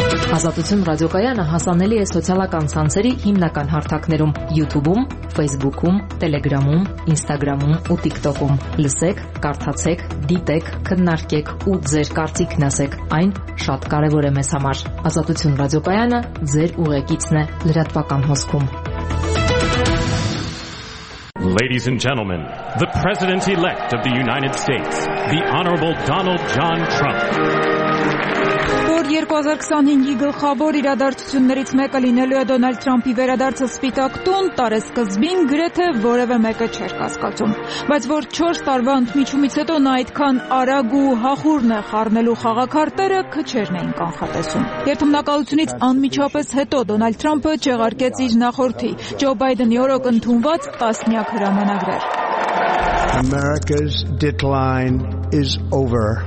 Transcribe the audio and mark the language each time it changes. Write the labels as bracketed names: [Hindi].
[Armenian] Ազատություն ռադիոկայանը հասանելի է սոցիալական ցանցերի հիմնական հարթակներում՝ YouTube-ում, Facebook-ում, Telegram-ում, Instagram-ում ու TikTok-ում։ Լսեք, կարդացեք, դիտեք, քննարկեք ու ձեր կարծիքն ասեք։ Այն շատ կարևոր է մեզ համար։ Ազատություն ռադիոկայանը ձեր ուղեկիցն է լրատվական հոսքում։ [English] Ladies and gentlemen, the President-elect of the United States, the Honorable Donald John Trump. [Armenian] 2025-ի գլխավոր իրադարձություններից մեկը լինելու է Դոնալդ Թրամփի վերադարձը Սպիտակ տուն, տարեսկզբին գրեթե որևէ մեկը չէր կասկածում, բայց որ 4 տարվա ընդմիջումից հետո նա այդքան արագ ու հախուրն է խառնելու խաղակարտերը, քչերն էին կանխատեսում։ Երթմնակալությունից անմիջապես հետո Դոնալդ Թրամփը չեղարկեց իր նախորդի Ջո Բայդենի օրոք ընդունված տասնյակ հրամանագրեր։ [English] America's decline is over.